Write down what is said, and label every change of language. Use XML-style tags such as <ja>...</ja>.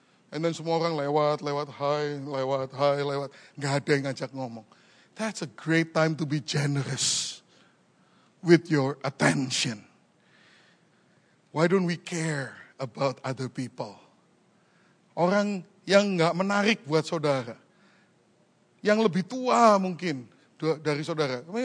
<en>And then</en> <id>semua orang lewat, hai, gak ada yang ngajak ngomong.</id> <en>That's a great time to be generous with your attention. Why don't we care about other people?</en> <id>Orang yang gak menarik buat saudara. Yang lebih tua mungkin dari saudara.</id>